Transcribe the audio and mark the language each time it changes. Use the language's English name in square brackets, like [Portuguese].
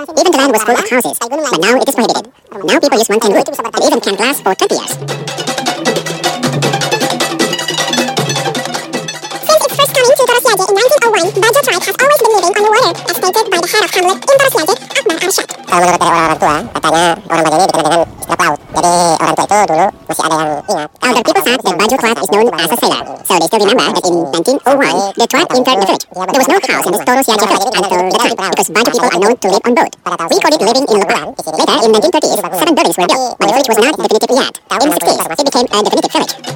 [English] Even the land was full of houses, but now it is prohibited. Now people use mountain wood, and even can't last for 20 years. Since its first coming to Toro Siage in 1901, Bajo tribe has always been living on the water, as stated by the head of hamlet in Toro Siage, Akbar Arshad. [Indonesian] Kalau menurut dari orang-orang tua, katanya orang Bajo ini dikenal dengan istilah pelaut. Jadi orang tua itu dulu masih ada yang ingat. [English] Other people said that Bajo tribe is known as a sailor. So they still remember that in 1901, the tribe entered the village. There was no house in this Toro Siage village until the time, because Bajo people are known to live on boat. We called it living in Lupalan. Later, in 1930s, 7 buildings were built, but the village was not definitive yet. In the 60s, it became a definitive village.